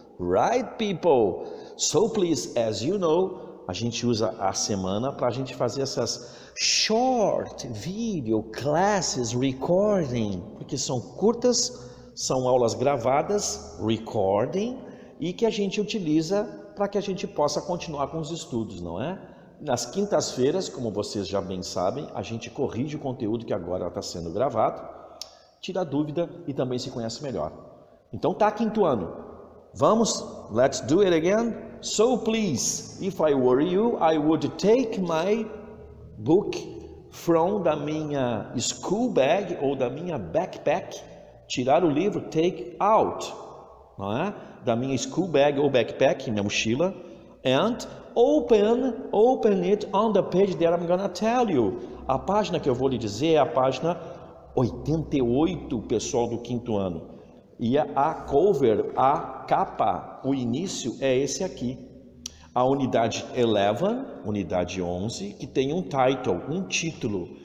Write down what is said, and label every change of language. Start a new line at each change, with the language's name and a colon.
English: Right, people? So please, as you know,
Portuguese: a gente usa a semana para a gente fazer essas
English: short video classes recording,
Portuguese: porque são curtas, são aulas gravadas, recording, e que a gente utiliza para que a gente possa continuar com os estudos, não é? Nas quintas-feiras, como vocês já bem sabem, a gente corrige o conteúdo que agora está sendo gravado, tira dúvida e também se conhece melhor. Então tá, quinto ano. Vamos?
English: Let's do it again. So please, if I were you, I would take my book from
Portuguese: da minha
English: school bag
Portuguese: ou da minha
English: backpack.
Portuguese: Tirar o livro,
English: take out,
Portuguese: não é? Da minha
English: school bag
Portuguese: ou backpack, minha mochila.
English: And open it on the page that I'm gonna tell you.
Portuguese: A página que eu vou lhe dizer é a página 88, pessoal do quinto ano. E a cover, a capa, o início é esse aqui. A unidade 11, unidade 11, que tem um title, um título.